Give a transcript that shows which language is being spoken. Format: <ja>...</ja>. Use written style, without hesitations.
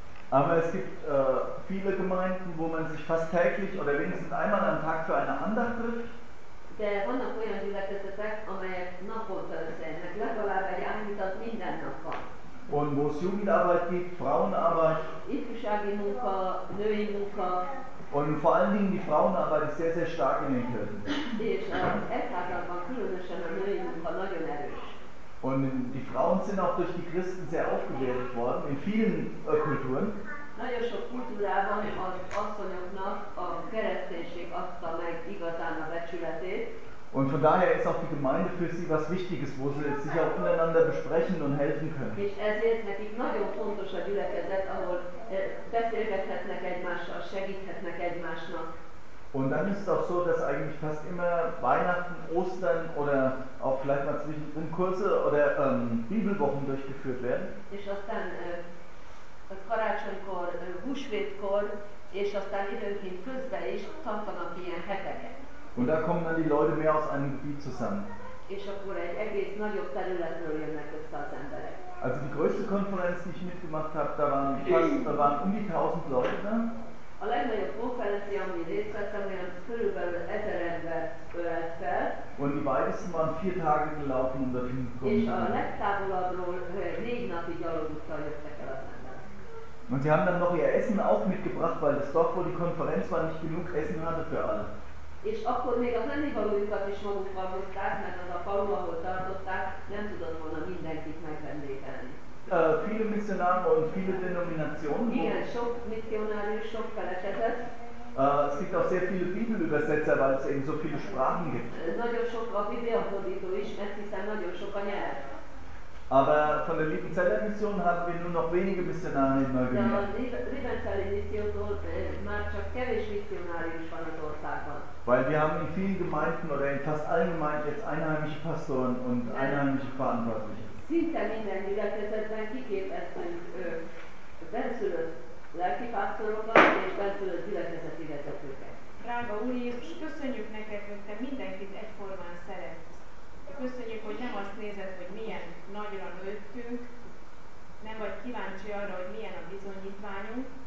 <de>Aber es gibt viele Gemeinden, wo man sich fast täglich oder wenigstens einmal am Tag für eine Andacht trifft.</de> <hu>De vannak olyan gyülekezetek, amelyek naponta összejönnek, legalább egy ámítat minden nap van.</hu> <de>Und wo es Jugendarbeit gibt, Frauenarbeit.</de> <hu>Ifjúsági munka, női munka.</hu> <de>Und vor allen Dingen die Frauenarbeit ist sehr, sehr stark in den Kirchen.</de> <hu>És az egyházakban különösen a női munka nagyon erős.</hu> <de>Und die Frauen sind auch durch die Christen sehr aufgewertet worden, in vielen Kulturen.</de> <hu>Nagyon sok kultúrában az asszonyoknak a kereszténység adta meg igazán a becsületét.</hu> <de>Und von daher ist auch die Gemeinde für sie was Wichtiges, wo sie sich auch untereinander besprechen und helfen können.</de> <hu>És ezért nekik nagyon fontos a gyülekezet, ahol beszélgethetnek egymással, segíthetnek egymásnak.</hu> <de>Und dann ist es auch so, dass eigentlich fast immer Weihnachten, Ostern oder auch vielleicht mal zwischendrin Kurse oder Bibelwochen durchgeführt werden.</de> <hu>És aztán karácsonykor, húsvétkor, és aztán időnként közben is tartanak ilyen heteket.</hu> <de>Und da kommen dann die Leute mehr aus einem Gebiet zusammen.</de> <hu>És akkor egy egész nagyobb területről jönnek össze az emberek.</hu> <de>Also die größte Konferenz, die ich mitgemacht habe, da waren um die 1000 Leute da.</de> <hu>A legnagyobb konferencia, amin részt vettem, olyan körülbelül 1000 embert ölelt fel.</hu> <de>Und die weitesten waren 4 Tage gelaufen, um dorthin zu kommen.</de> <hu>És a legtávolabbról 4 napi gyalogúttal jöttek el az emberek.</hu> <de>Und sie haben dann noch ihr Essen auch mitgebracht, weil das Dorf, wo die Konferenz war, nicht genug Essen hatte für alle.</de> <hu>És akkor még az ennivalóikat is magukkal hozták, mert az a falu, ahol tartották, nem tudott volna mindenkit megvendégelni.</hu> <de>Viele Missionare und viele Denominationen.</de> <hu>Igen, sok missionárius, sok feleketet.</hu> <de>Es gibt auch sehr viele Bibelübersetzer, weil es eben so viele Sprachen gibt.</de> <hu>Nagyon sok a Bibliafordító is, mert hiszen nagyon sok a nyelv.</hu> <de>Aber von der Liebenzeller Mission haben wir nur noch wenige Missionare in Neuguinea. Ja, Liebenzeller Mission macht schon</de> <hu>kevés</hu> <de>Missionarius von der Ortsarbeit. Weil wir haben in vielen Gemeinden oder in fast allen Gemeinden jetzt einheimische Pastoren und einheimische Verantwortliche.</de> <hu>Szinte minden gyülekezetben kiképeztünk benszülött lelki pásztorokat és benszülött gyülekezeti vezetőket. Drága Úr Jézus, köszönjük neked, hogy te mindenkit egyformán szeretsz. Köszönjük, hogy nem azt nézed, hogy milyen nagyra nőttünk, nem vagy kíváncsi arra, hogy milyen a bizonyítványunk.</hu>